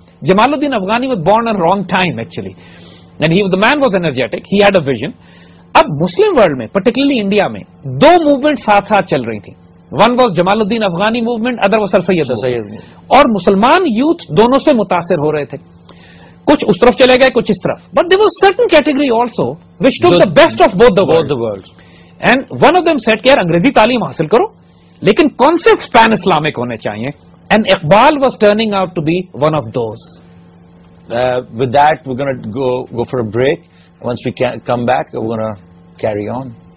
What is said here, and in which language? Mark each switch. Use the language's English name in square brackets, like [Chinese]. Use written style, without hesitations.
[English] جمال الدین افغانی was born in wrong time actually, and he the man was energetic, he had a vision. [Urdu] اب Muslim world میں, particularly India میں, دو movement ساتھ ساتھ چل رہی تھی. [English] one was جمال الدین افغانی movement, other was sir Syed, [Urdu] اور مسلمان یوتھ دونوں سے متاثر ہو رہے تھے. کچھ اس طرف چلے گئے, کچھ اس طرف, [English] But there was certain category also which took the best of both the worlds. And one of them said, [Urdu] کہ یار انگریزی تعلیم حاصل کرو لیکن کانسیپٹس پین اسلامک ہونے چاہیے. [English] And Iqbal was turning out to be one of those. With that we gonna go for a break, once we come back we gonna carry on.